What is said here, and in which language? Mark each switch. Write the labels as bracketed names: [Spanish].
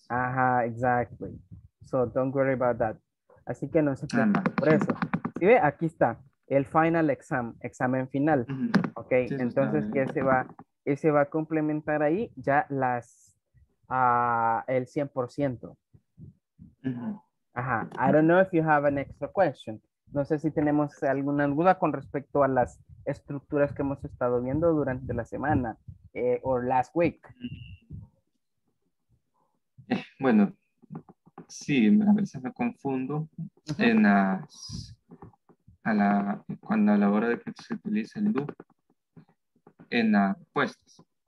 [Spanish] Ajá, exacto. [English] So, don't worry about that. [Spanish] Así que no se preocupe por eso. Si ve, aquí está. El final exam, examen final. Ok, sí, entonces que ese va a complementar ahí ya las, el 100%. [English] Ajá, I don't know if you have an extra question. [Spanish] No sé si tenemos alguna duda con respecto a las estructuras que hemos estado viendo durante la semana o [English] last week. [Spanish] Bueno, sí, a veces me confundo en las cuando a la hora de que se utiliza el loop en las respuestas.